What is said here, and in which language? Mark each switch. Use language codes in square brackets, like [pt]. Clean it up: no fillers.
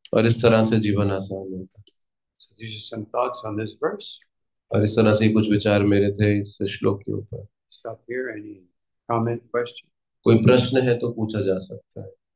[hi] और इस तरह से जीवन आसान होता. [en] So these are some thoughts on this verse. [hi] और इस तरह से कुछ विचार मेरे थे इस श्लोक के ऊपर. [en] Stop here. Any comment, question? [hi] कोई प्रश्न है तो पूछा जा सकता है.